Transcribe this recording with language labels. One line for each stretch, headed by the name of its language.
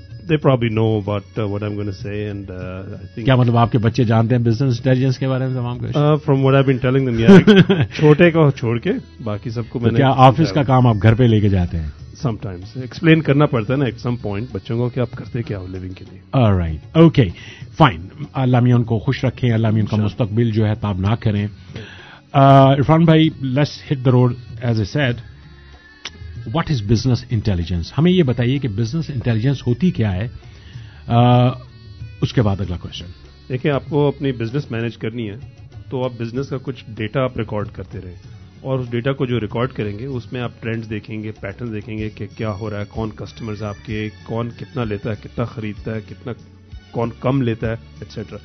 English: They probably know about what I'm going to say. And
Urdu: کیا مطلب آپ کے بچے جانتے ہیں بزنس انٹیلیجنس کے بارے میں تمام کچھ؟
English: From what I've been telling them, yeah.
Urdu: چھوٹے کو چھوڑ کے باقی سب کو میں نے. کیا آفس کا کام آپ گھر پہ لے کے جاتے ہیں؟
English: Sometimes.
Urdu: Explain کرنا پڑتا ہے نا
English: at some point
Urdu: بچوں کو کہ آپ کرتے کیا ہو لیونگ کے لیے.
English: Alright. Okay. Fine.
Urdu: اللہ میاں ان کو خوش رکھیں, اللہ میاں ان کا مستقبل جو ہے تاب نہ کریں.
English: عرفان بھائی, let's hit the road. As I said, what is business intelligence?
Urdu: ہمیں یہ بتائیے کہ
English: business intelligence
Urdu: ہوتی کیا ہے. اس کے بعد اگلا question. دیکھیں, آپ کو اپنی business manage کرنی ہے تو آپ business کا کچھ ڈیٹا آپ ریکارڈ کرتے رہے, اور اس ڈیٹا کو جو ریکارڈ کریں گے اس میں آپ ٹرینڈز دیکھیں گے, پیٹرن دیکھیں گے کہ کیا ہو رہا ہے, کون کسٹمرز آپ کے, کون کتنا لیتا ہے, کتنا خریدتا ہے, کتنا کون کم لیتا ہے, ایٹسیٹرا.